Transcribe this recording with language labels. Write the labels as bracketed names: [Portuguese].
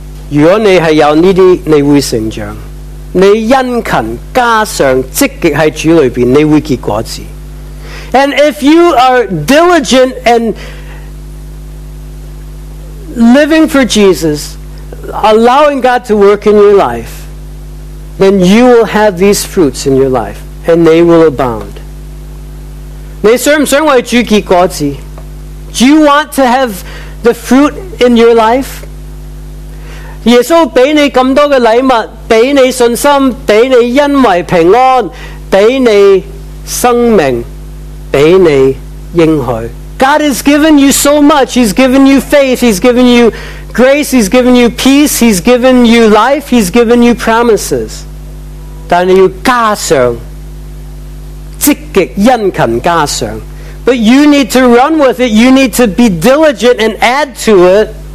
[Chinese] 如果你是有这些，你会成长，你殷勤加上积极在主里面，你会结果子。 [English] And if you are diligent and living for Jesus, allowing God to work in your life, then you will have these fruits in your life, and they will abound. [Chinese] 你想不想为主结果子？ [English] Do you want to have the fruit in your life? [Chinese] 耶稣给你这么多的礼物，给你信心，给你恩惠平安，给你生命，给你应许， [English] God has given you so much. He's given you faith. He's given you grace. He's given you peace. He's given you life. He's given you promises. [Chinese] 但要加上，積極殷勤加上。 [English] But you need to run with it. You need to be diligent and add to it.